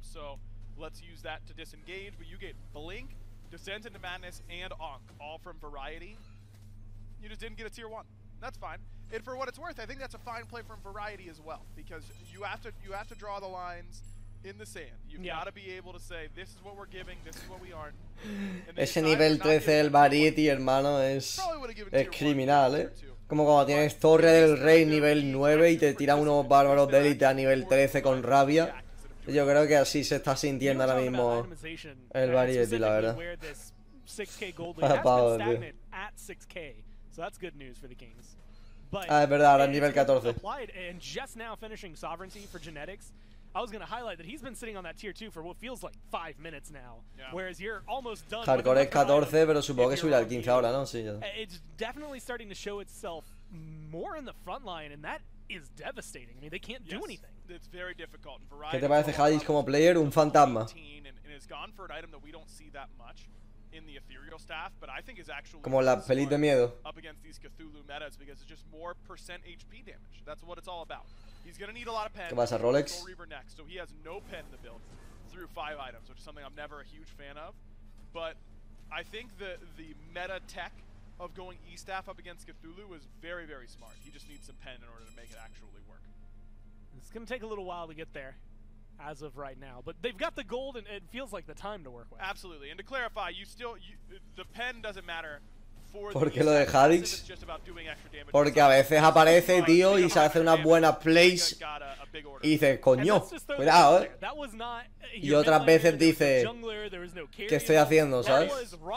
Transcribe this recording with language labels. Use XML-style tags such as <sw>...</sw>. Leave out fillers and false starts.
<en>So let's use that to disengage. But you get Blink, Descent into Madness, and Ankh, all from Variety. You just didn't get a Tier 1. That's fine. And for what it's worth, I think that's a fine play from Variety as well, because you have to draw the lines in the sand. You've got to be able to say, this is what we're giving, this is what we aren't.</en> <es>Ese nivel 13 del Variety, hermano, es criminal, ¿eh? Como cuando tienes Torre del Rey nivel 9 y te tiran unos bárbaros de élite a nivel 13 con rabia. Yo creo que así se está sintiendo ahora mismo el Variety, la verdad.</es> <en>So that's good news for the Kings.</en> <es>But ah, es verdad, ahora nivel 14.</es> <en>Applied, and just now finishing Sovereignty for Genetics, I was going to highlight that he's been sitting on that tier 2 for what feels like 5 minutes now. Yeah. Whereas you're almost done.</en> <es>Hardcore es 14, pero supongo que subirá al 15 ahora, ¿no? Sí, ya.</es> <en>It's definitely starting to show itself more in the front line, and that is devastating. I mean, they can't do anything. It's very difficult.</en> <es>¿Qué te parece Hadis como player? Un fantasma.</es> <en>And it's gone for an item that we don't see that much. In the ethereal staff, but I think is actually</en> <es>como la peli de miedo.</es> <en>Up against these Cthulhu metas because it's just more percent HP damage. That's what it's all about. He's gonna need a lot of pen.</en> <es>¿Qué pasa, Rolex?</es> <en>Reaver next, so he has no pen to build through five items, which is something I'm never a huge fan of. But I think the meta tech of going E staff up against Cthulhu is very, very smart. He just needs some pen in order to make it actually work. It's gonna take a little while to get there. As of right now, but they've got the gold, and it feels like the time to work with. Absolutely, and to clarify, the pen doesn't matter for.</en> <es>Porque lo de Hadix. Porque a veces aparece, tío, y se hace una buena place, y dice coño, cuidado.</es> <en>That was not.</en> <es>Y otras veces dice qué estoy haciendo, ¿sabes?</es>